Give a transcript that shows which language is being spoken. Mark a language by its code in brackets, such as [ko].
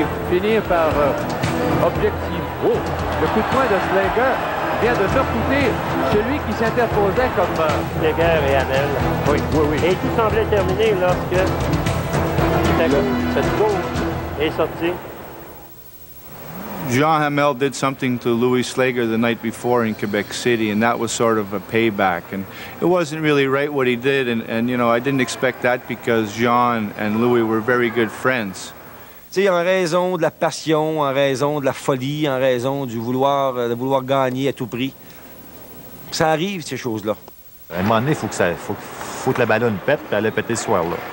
[fr] Et finir par objectif. Oh! Le coup de poing de Slinger vient de surcouter celui qui s'interposait comme Slinger et Hamel. Oui, oui, oui. Et tout semblait terminé lorsque cette gauche est sortie. [en] Jean Hamel did something to Louis Slager the night before in Quebec City, and that was sort of a payback. And it wasn't really right what he did, and you know, I didn't expect that because Jean and Louis were very good friends. [fr] T'sais, en raison de la passion, en raison de la folie, en raison du vouloir, de vouloir gagner à tout prix, ça arrive, ces choses-là. À un moment donné, il faut, faut, faut, faut que la ballonne pète, puis elle a pété ce soir-là.